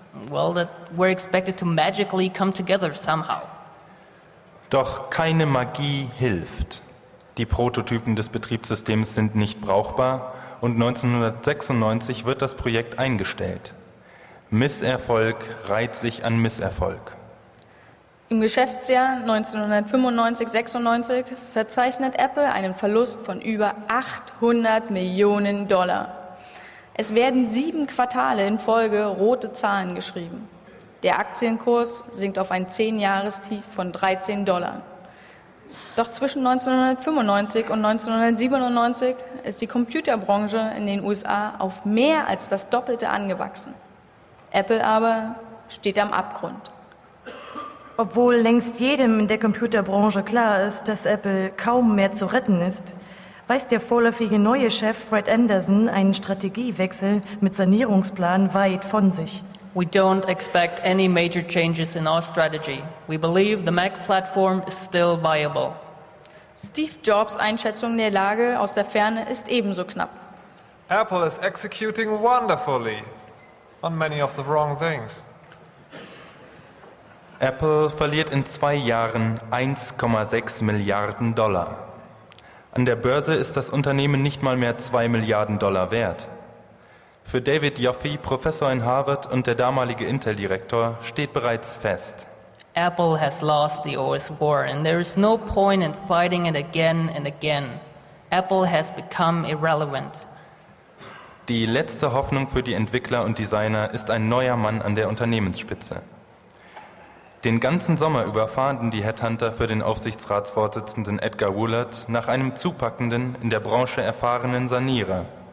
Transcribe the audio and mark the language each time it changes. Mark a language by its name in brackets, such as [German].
[English] Well, that we're expected to magically come together somehow. [German] Doch keine Magie hilft. Die Prototypen des Betriebssystems sind nicht brauchbar und 1996 wird das Projekt eingestellt. Misserfolg reiht sich an Misserfolg. Im Geschäftsjahr 1995-96 verzeichnet Apple einen Verlust von über 800 Millionen Dollar. Es werden 7 Quartale in Folge rote Zahlen geschrieben. Der Aktienkurs sinkt auf ein 10-Jahrestief von 13 Dollar. Doch zwischen 1995 und 1997 ist die Computerbranche in den USA auf mehr als das Doppelte angewachsen. Apple aber steht am Abgrund. Obwohl längst jedem in der Computerbranche klar ist, dass Apple kaum mehr zu retten ist, weiß der vorläufige neue Chef Fred Anderson einen Strategiewechsel mit Sanierungsplan weit von sich. [English] We don't expect any major changes in our strategy. We believe the Mac platform is still viable. [German] Steve Jobs' Einschätzung der Lage aus der Ferne ist ebenso knapp. [English] Apple is executing wonderfully on many of the wrong things. [German] Apple verliert in 2 Jahren 1,6 Milliarden Dollar. An der Börse ist das Unternehmen nicht mal mehr 2 Milliarden Dollar wert. Für David Yoffie, Professor in Harvard und der damalige Intel-Direktor, steht bereits fest: [English] Apple has lost the OS war and there is no point in fighting it again and again. Apple has become irrelevant. [German] Die letzte Hoffnung für die Entwickler und Designer ist ein neuer Mann an der Unternehmensspitze. Den ganzen Sommer über fahnden die Headhunter für den Aufsichtsratsvorsitzenden Edgar Woolard nach einem zupackenden, in der Branche erfahrenen Sanierer.